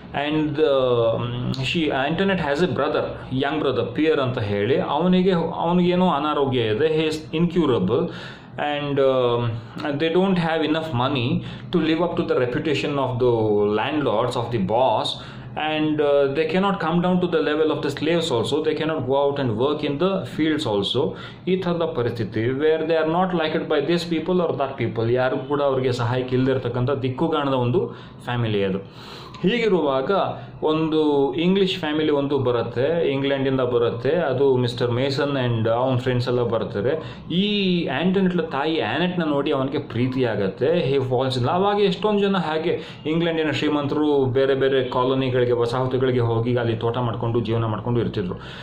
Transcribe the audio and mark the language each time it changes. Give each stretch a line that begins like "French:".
English: and she Antoinette has a brother, young brother Pierre
Kannada: ಅಂತ ಹೇಳಿ, ಅವನಿಗೇನೋ ಅನಾರೋಗ್ಯ ಇದೆ,
English: He is incurable and they don't have enough money to live up to the reputation of the landlords of the boss. And they cannot come down to the level of the slaves also. They cannot go out and work in the fields also.
Kannada: Itharda paristhiti
English: where they are not liked by these people or that people.
Kannada: Yaru kuda avarge sahayakke illirthakkanta dikku ganada ondu family adu. ಹೀಗಿರುವಾಗ ಒಂದು English family ಒಂದು ಬರುತ್ತೆ, ಇಂಗ್ಲೆಂಡಿಂದ ಬರುತ್ತೆ, ಅದು mister mason and ಅವನ friends ಎಲ್ಲ ಬರ್ತಾರೆ. ಈ ಆ್ಯಂಟನಿಟ್ಲ ತಾಯಿ ಆ್ಯನೆಟ್ನ ನೋಡಿ ಅವನಿಗೆ ಪ್ರೀತಿಯಾಗತ್ತೆ,
English: He falls in love.
Kannada: ಹಾಗೆ ಎಷ್ಟೊಂದು ಜನ ಹಾಗೆ ಇಂಗ್ಲೆಂಡಿನ ಶ್ರೀಮಂತರು ಬೇರೆ ಬೇರೆ ಕಾಲೋನಿಗಳಿಗೆ ವಸಾಹತುಗಳಿಗೆ ಹೋಗಿ ಅಲ್ಲಿ ತೋಟ ಮಾಡಿಕೊಂಡು ಜೀವನ ಮಾಡಿಕೊಂಡು ಇರ್ತಿದ್ರು.